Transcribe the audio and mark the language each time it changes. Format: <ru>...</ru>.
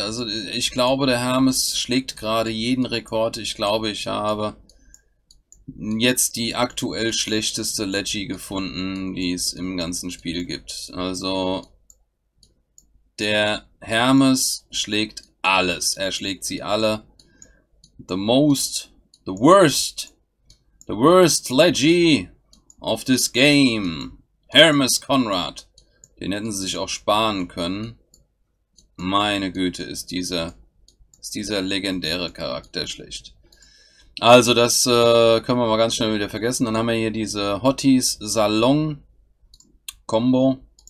<de>Also ich glaube, der Hermes schlägt gerade jeden Rekord. Ich glaube, ich habe jetzt die aktuell schlechteste Leggy gefunden, die es im ganzen Spiel gibt. Also der Hermes schlägt alles. Er schlägt sie alle.</de> <en>The most, the worst Leggy of this game.</en> <de>Hermes Conrad, den hätten sie sich auch sparen können. Meine Güte, ist dieser legendäre Charakter schlecht. Also, das können wir mal ganz schnell wieder vergessen. Dann haben wir hier diese Hotties Salon Combo.</de>